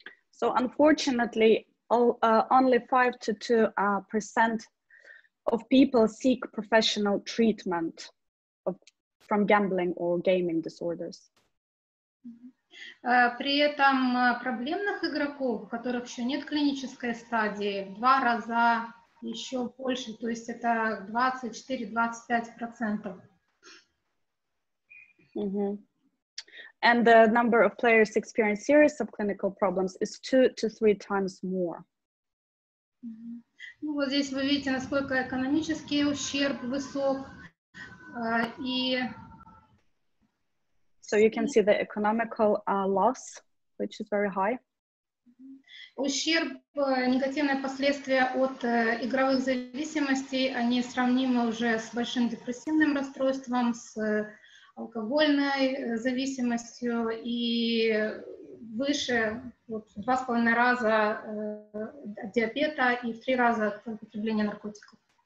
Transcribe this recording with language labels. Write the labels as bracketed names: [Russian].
[English] So unfortunately, only 5-2% of people seek professional treatment from gambling or gaming disorders. [Russian] При этом проблемных игроков, у которых еще нет клинической стадии, в два раза еще больше, то есть это 24-25%. [English] And the number of players experience serious subclinical problems is 2-3 times more. [Russian] Ну, вот здесь вы видите, насколько экономический ущерб высок, и [English] so you can see the economical loss, which is very high. [Russian] Ущерб, негативные последствия от игровых зависимостей, они сравнимы уже с большим депрессивным расстройством, с алкогольной зависимостью и выше, вот, 2.5 раза от диабета и в 3 раза от употребления наркотиков.